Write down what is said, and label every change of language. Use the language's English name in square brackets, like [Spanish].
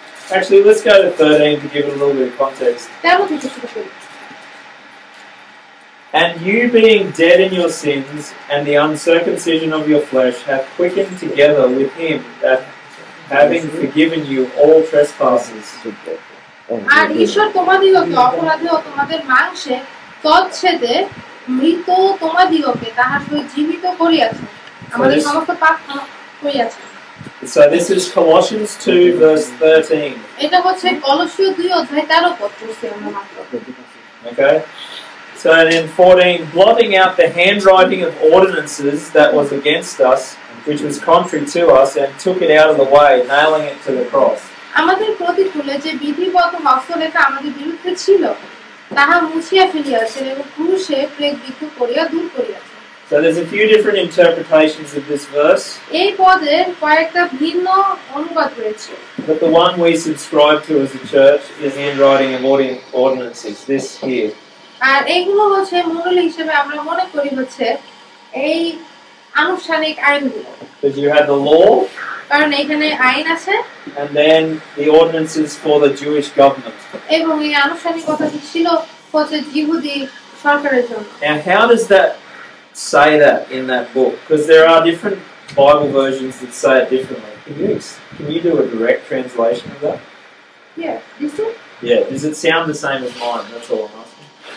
[English] Actually, let's go to 13 to give it a little bit of context. And you being dead in your sins and the uncircumcision of your flesh have quickened together with him that having forgiven you all trespasses. [Bangla] আর ঈশ্বর তোমাদিগকে অপরাধে ও তোমাদের মাংসে তৎচ্ছেদে মৃত তোমাদিগকে তাহার সহিত জীবিত করিয়াছেন আমাদের সমস্ত পাপ করিয়াছেন. [English] So this is Colossians 2 verse 13. [Bangla] এটা হচ্ছে কলসীয় 2 অধ্যায় 13 পত্র সে আমরা মাত্র. [English] Okay. So then 14, blotting out the handwriting of ordinances that was against us, which was contrary to us, and took it out of the way, nailing it to the cross. [Bangla] আমাদের প্রতি তুলে যে বিধিবদ্ধ হস্তরেখা আমাদের বিরুদ্ধে ছিল তাহা মুছিয়া ফেলিয়াছেন এবং ক্রুশে প্রেগ বিদ্ধ করিয়া দূর করিয়াছেন. [English] So there's a few different interpretations of this verse. [Bangla] এই পদের কয়েকটা ভিন্ন অনুবাদ রয়েছে. [English] But the one we subscribe to as a church is handwriting of ordinances, this here. [Bangla] আর এইগুলো হচ্ছে মণ্ডলী হিসেবে আমরা মনে করি হচ্ছে এই আনুষ্ঠানিক আইনগুলো. [English] Did you have the law? [Bangla] কারণ এখানে আইন আছে. [English] And then the ordinances for the Jewish government. [Bangla] এবং এই আনুষ্ঠানিকতা কি ছিল হচ্ছে ইহুদি সরকারের জন্য. [English] And how does that say that in that book? Because there are different Bible versions that say it differently. Can you do a direct translation of that? Yeah, this one? Yeah, does it sound the same as mine? That's all I'm asking.